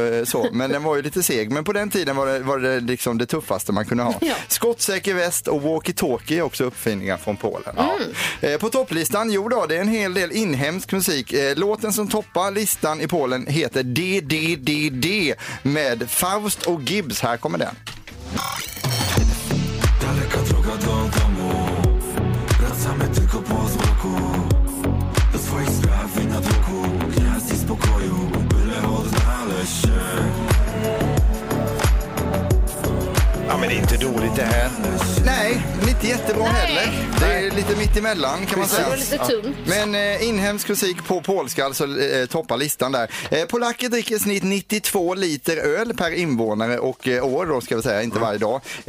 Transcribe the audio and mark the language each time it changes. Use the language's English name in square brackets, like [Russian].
[Swedish] Så, men den var ju lite seg. Men på den tiden var det liksom det tuffaste man kunde ha. Ja. Skottsäker väst och walkie-talkie är också uppfinningar från Polen. Mm. På topplistan, jo då, det är en hel del inhemsk musik. Låten som toppar listan i Polen heter DDDD med Faust och Gibbs. Här kommer den. [Polish] Daleka droga do domu, wracamy tylko po zmroku, do swoich spraw i na druku, gniazd i spokoju, byle odnaleźć się. [Swedish] Ja, men det är inte dåligt det här. Nej, inte jättebra. Nej. Heller. Det är lite mitt emellan kan man säga. Det var lite tungt. Men inhemsk musik på polska, alltså toppar listan där. Polacker dricker snitt 92 liter öl per invånare och år då, ska vi säga, inte varje dag.